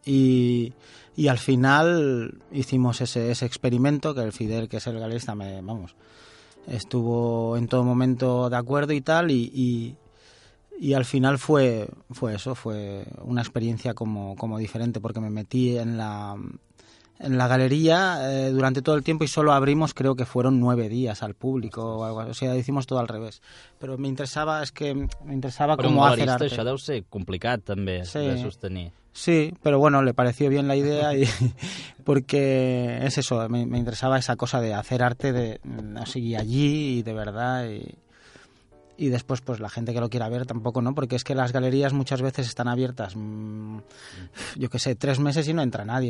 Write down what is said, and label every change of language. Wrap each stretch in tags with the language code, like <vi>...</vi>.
<es>Y al final hicimos ese experimento, que el Fidel, que es el galerista, estuvo en todo momento de acuerdo y tal, y al final fue eso, fue una experiencia como diferente, porque me metí en la galería durante todo el tiempo y solo abrimos, creo que fueron 9 días al público o algo así. O sea, hicimos todo al revés. Pero me interesaba cómo hacer arte.</es> <ca>Però un galerista, això deu ser complicat també, sí, de sostenir.</ca> <es>Sí, pero bueno, le pareció bien la idea y porque es eso, me interesaba esa cosa de hacer arte, seguir allí y de verdad y después pues la gente que lo quiera ver tampoco, ¿no? Porque es que las galerías muchas veces están abiertas, 3 meses y no entra nadie.</es>